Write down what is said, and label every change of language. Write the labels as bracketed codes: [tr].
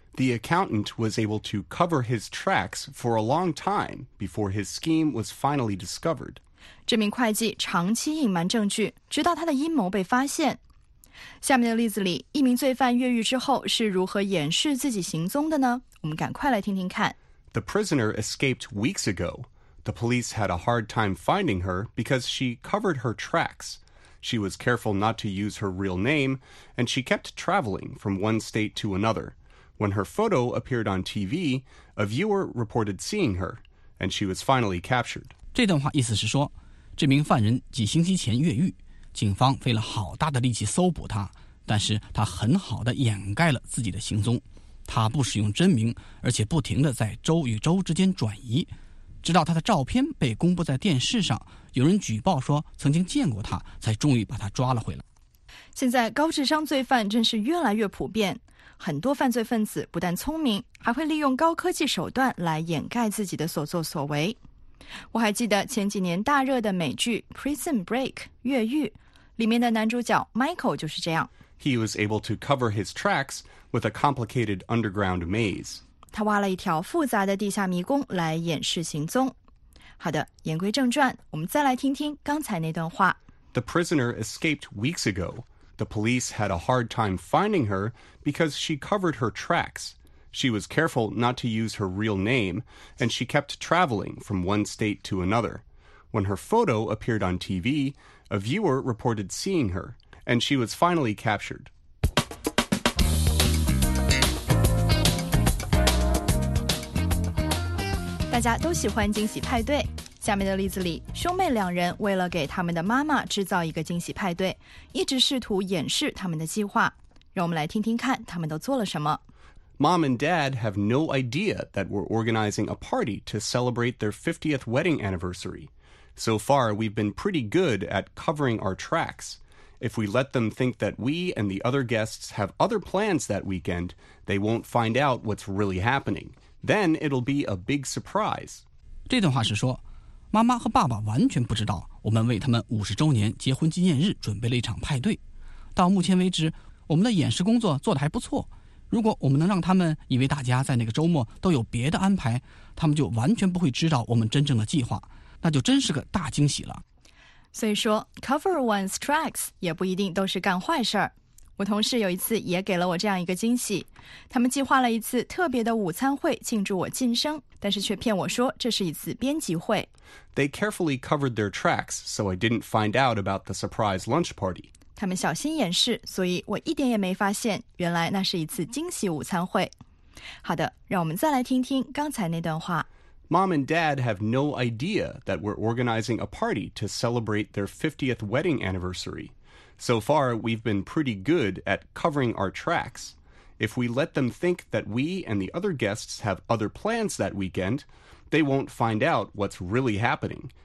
[en] The accountant was able to cover his tracks for a long time before his scheme was finally discovered. [zh] 这名会计长期隐瞒证据，直到他的阴谋被发现。下面的例子里，一名罪犯越狱之后是如何掩饰自己行踪的呢？我们赶快来听听看。 [en] The prisoner escaped weeks ago. The police had a hard time finding her because she covered her tracks. She was careful not to use her real name, and she kept traveling from one state to another. When her photo appeared on TV, a viewer reported seeing her, and she was finally captured. [zh] 这段话意思是说，这名犯人几星期前越狱，警方费了好大的力气搜捕他，但是他很好地掩盖了自己的行踪。他不使用真名，而且不停地在州与州之间转移，直到他的照片被公布在电视上，有人举报说曾经见过他，才终于把他抓了回来。现在高智商罪犯真是越来越普遍。很多犯罪分子不但聪明，还会利用高科技手段来掩盖自己的所作所为。我还记得前几年大热的美剧《Prison Break》（越狱）里面的男主角 Michael 就是这样。 [en] He was able to cover his tracks with a complicated underground maze. [zh] 他挖了一条复杂的地下迷宫来掩饰行踪。好的，言归正传，我们再来听听刚才那段话。 [en] The prisoner escaped weeks ago. The police had a hard time finding her because she covered her tracks. She was careful not to use her real name, and she kept traveling from one state to another. When her photo appeared on TV, a viewer reported seeing her, and she was finally captured. Mom and Dad have no idea that we're organizing a party to celebrate their 50th wedding anniversary. So far, we've been pretty good at covering our tracks. If we let them think that we and the other guests have other plans that weekend, they won't find out what's really happening. Then it'll be a big surprise. [zh] 这段话是说，妈妈和爸爸完全不知道我们为他们五十周年结婚纪念日准备了一场派对。到目前为止，我们的掩饰工作做得还不错。如果我们能让他们以为大家在那个周末都有别的安排，他们就完全不会知道我们真正的计划，那就真是个大惊喜了。所以说 ，cover one's tracks 也不一定都是干坏事儿。我同事有一次也给了我这样一个惊喜，他们计划了一次特别的午餐会庆祝我晋升，但是却骗我说这是一次编辑会。 [en] They carefully covered their tracks, so I didn't find out about the surprise lunch party. [zh] 他们小心掩饰，所以我一点也没发现，原来那是一次惊喜午餐会。好的，让我们再来听听刚才那段话。 [en] Mom and Dad have no idea that we're organizing a party to celebrate their 50th wedding anniversary. So far, we've been pretty good at covering our tracks. If we let them think that we and the other guests have other plans that weekend, they won't find out what's really happening.